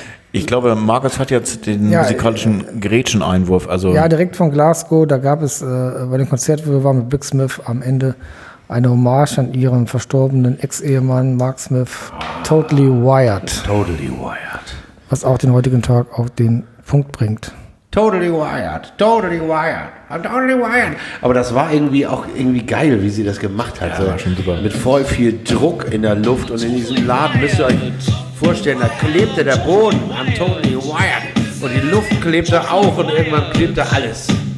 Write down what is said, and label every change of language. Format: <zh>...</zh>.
<de>Ich glaube, Markus hat jetzt den musikalischen Gretchen-Einwurf. Also ja, direkt von Glasgow, da gab es bei dem Konzert, wo wir waren mit Big Smith am Ende, eine Hommage an ihren verstorbenen Ex-Ehemann Mark Smith, Totally Wired.</de> <en>Totally Wired.</en> <de>Was auch den heutigen Tag auf den Punkt bringt.</de> <en>Totally Wired, Totally Wired, I'm Totally Wired.</en> <de>Aber das war irgendwie auch irgendwie geil, wie sie das gemacht hat. Ja, so. War schon super. Mit voll viel Druck in der Luft und in diesem Laden, müsst ihr euch vorstellen, da klebte der Boden,</de> <en>I'm Totally Wired.</en> <de>Und die Luft klebte auch und irgendwann klebte alles.</de>